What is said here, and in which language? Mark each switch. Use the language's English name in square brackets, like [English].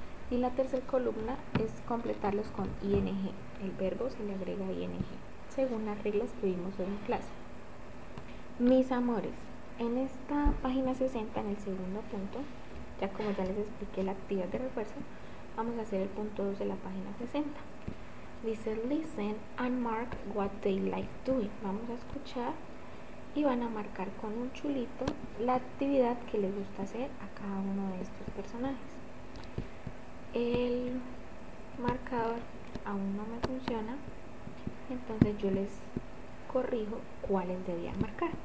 [Spanish] Y la tercera columna es completarlos con ing. El verbo se le agrega ing, según las reglas que vimos hoy en clase. Mis amores, en esta página 60, en el segundo punto, ya como ya les expliqué la actividad de refuerzo, vamos a hacer el punto 2 de la página 60. [English] Dice, listen and mark what they like doing. [Spanish] Vamos a escuchar y van a marcar con un chulito la actividad que les gusta hacer a cada uno de estos personajes. El marcador aún no me funciona, entonces yo les corrijo cuáles debían marcar.